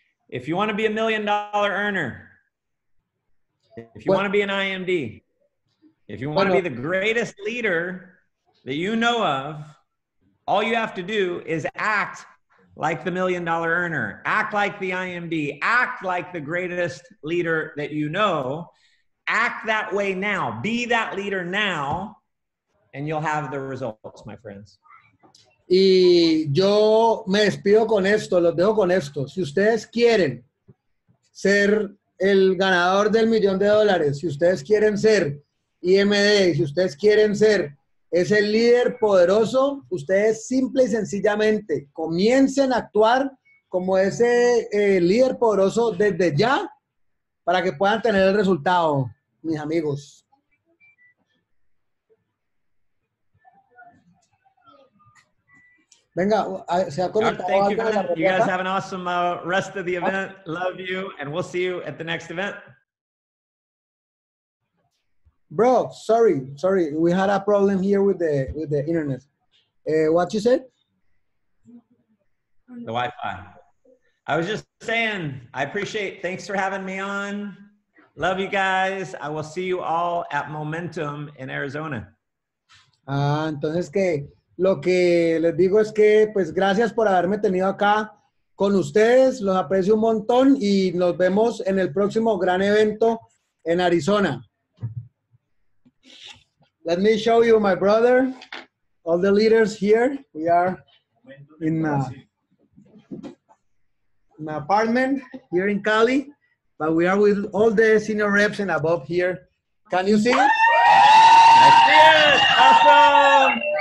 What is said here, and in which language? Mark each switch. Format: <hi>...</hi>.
<en>If you want to be a $1 million earner, if you want to be an IMD, if you want to be the greatest leader that you know of, all you have to do is act like the $1 million earner, act like the IMD, act like the greatest leader that you know, act that way now, be that leader now, and you'll have the results, my friends.</en> <es>Y yo me despido con esto, los dejo con esto. Si ustedes quieren ser el ganador del $1 million, si ustedes quieren ser IMD, si ustedes quieren ser ese líder poderoso, ustedes simple y sencillamente comiencen a actuar como ese líder poderoso desde ya para que puedan tener el resultado, mis amigos. Venga, se ha conectado.</es> <en>Thank you, you guys have an awesome rest of the event. Love you, and we'll see you at the next event. Bro, sorry, we had a problem here with the internet. What you said? The Wi-Fi. I was just saying, I appreciate. Thanks for having me on. Love you guys. I will see you all at Momentum in Arizona.</en> <es>Entonces qué. Lo que les digo es que, pues, gracias por haberme tenido acá con ustedes. Los aprecio un montón y nos vemos en el próximo gran evento en Arizona.</es> <en>Let me show you my brother, all the leaders here. We are in my apartment here in Cali, but we are with all the senior reps and above here. Can you see it? I see it. Awesome.</en>